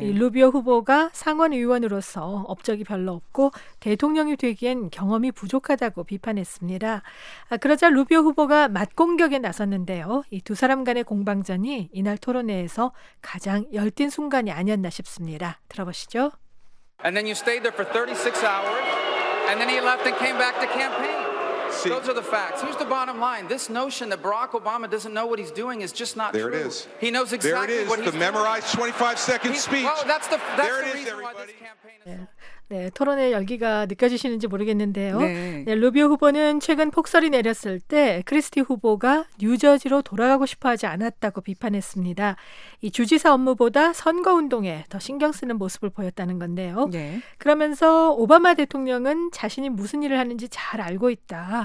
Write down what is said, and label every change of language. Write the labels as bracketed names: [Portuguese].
[Korean] 이 루비오 후보가 상원의원으로서 업적이 별로 없고 대통령이 되기엔 경험이 부족하다고 비판했습니다. 아, 그러자 루비오 후보가 맞공격에 나섰는데요. 이 두 사람 간의 공방전이 이날 토론회에서 가장 열띤 순간이 아니었나 싶습니다. 들어보시죠. [English] And then you stayed there for 36 hours and then he left and came back to campaign. Those are the facts. Here's the bottom line. This notion that Barack Obama doesn't know what he's doing is just not there There it is. He knows exactly what he's doing. There it is. The memorized 25-second speech. Well, that's the reason why this campaign is... Yeah. [Korean] 네, 토론의 열기가 느껴지시는지 모르겠는데요. 네. 네, 루비오 후보는 최근 폭설이 내렸을 때 크리스티 후보가 뉴저지로 돌아가고 싶어하지 않았다고 비판했습니다. 이 주지사 업무보다 선거운동에 더 신경 쓰는 모습을 보였다는 건데요. 네. 그러면서 오바마 대통령은 자신이 무슨 일을 하는지 잘 알고 있다.